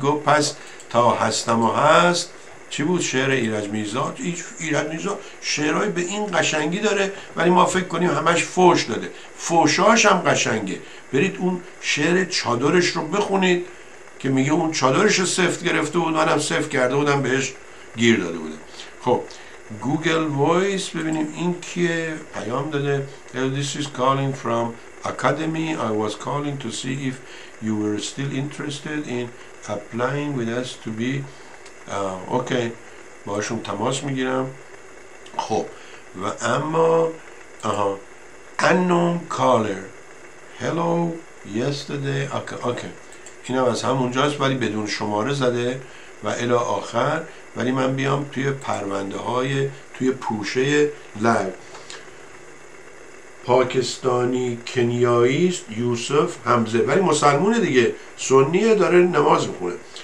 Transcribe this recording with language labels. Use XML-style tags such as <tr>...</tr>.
<fa>گفت پس تا هستم و هست چی بود شعر ایرج میرزا؟ ایرج میرزا شعرهای به این قشنگی داره، ولی ما فکر کنیم همش فوش داده. فوشاش هم قشنگه، برید اون شعر چادرش رو بخونید که میگه اون چادرش رو سفت گرفته بود، منم سفت کرده بودم بهش گیر داده بودم. خب گوگل وایس ببینیم این کیه پیام داده.</fa> <en>This is calling from academy. I was calling to see if you were still interested in applying with us to be okay.</en> <fa>باهاشون تماس میگیرم. خب و اما</fa> <en>unknown caller hello yesterday okay.</en> <fa>اینم از همونجاست ولی بدون شماره زده و الی آخر، ولی من بیام توی پرونده های توی پوشه لر. پاکستانی کنیایی است یوسف حمزه، ولی مسلمونه دیگه، سنیه، داره نماز میخونه.</fa>